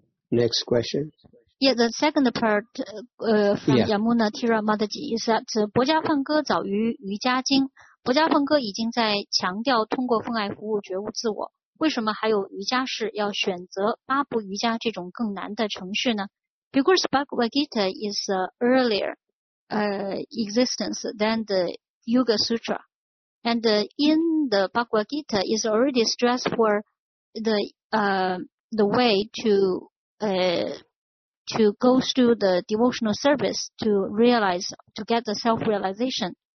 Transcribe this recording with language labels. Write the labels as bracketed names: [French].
[English] Next question. Yeah, the second part from Yamuna Tira Mataji is that [Chinese] 薄伽梵歌早于瑜伽经。薄伽梵歌已经在强调通过奉爱服务觉悟自我。为什么还有瑜伽士要选择八步瑜伽这种更难的程序呢 ？ [English] Because Bhagavad Gita is earlier existence than the Yoga Sutra, and in the Bhagavad Gita is already stressed for the way to go through the devotional service to realize, to get the self-realization.